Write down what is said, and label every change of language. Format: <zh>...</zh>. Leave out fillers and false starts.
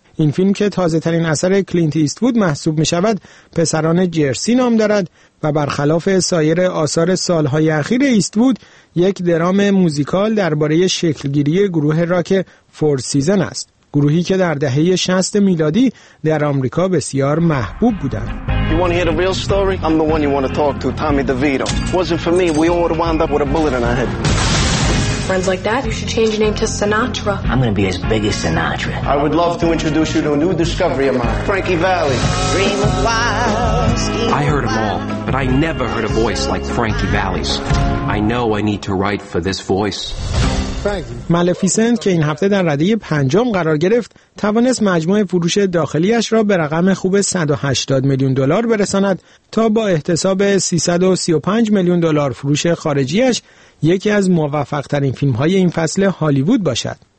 <fa>این فیلم که تازه ترین اثر کلینت ایستوود محسوب می شود پسران جرسی نام دارد و برخلاف سایر آثار سالهای اخیر ایستوود یک درام موزیکال درباره شکلگیری گروه راک فور سیزن است، گروهی که در دهه 60 میلادی در آمریکا بسیار محبوب بودند.</fa> <en>You want to hear the real story? I'm the one you want to talk to, Tommy DeVito. Wasn't for me, we all would wind up with a bullet in our head. Friends like that, you should change your name to Sinatra. I'm going to be as big as Sinatra. I would love to introduce you to a new discovery of mine, Frankie Valli. Dream of wild. I heard them all, but I never heard a voice like Frankie Valli's. I know I need to write for this voice.</en> <fa>مالفیسنت که این هفته در رده پنجم قرار گرفت توانست مجموع فروش داخلیش را به رقم خوب 180 میلیون دلار برساند تا با احتساب 335 میلیون دلار فروش خارجیش یکی از موفق ترین فیلم های این فصل هالیوود باشد.</fa>